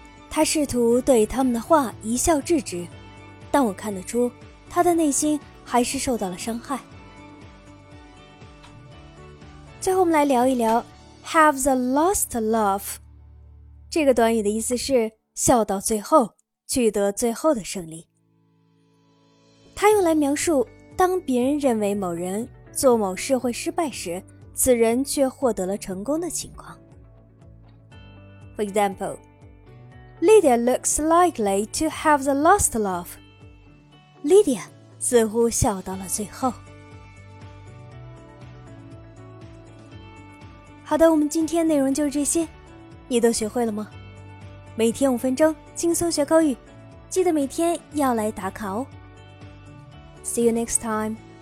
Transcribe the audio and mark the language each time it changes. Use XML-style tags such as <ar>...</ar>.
<zh>她试图对他们的话一笑置之，但我看得出她的内心还是受到了伤害。最后我们来聊一聊</zh> <en>have the last laugh。</en> <zh>这个短语的意思是笑到最后，取得最后的胜利。它用来描述当别人认为某人做某事会失败时，此人却获得了成功的情况。</zh> <en>For example, Lydia looks likely to have the last laugh.</en> <zh>Lydia 似乎笑到了最后。好的，我们今天内容就是这些。你都学会了吗？每天五分钟，轻松学口语，记得每天要来打卡哦。</zh> <en>See you next time.</en>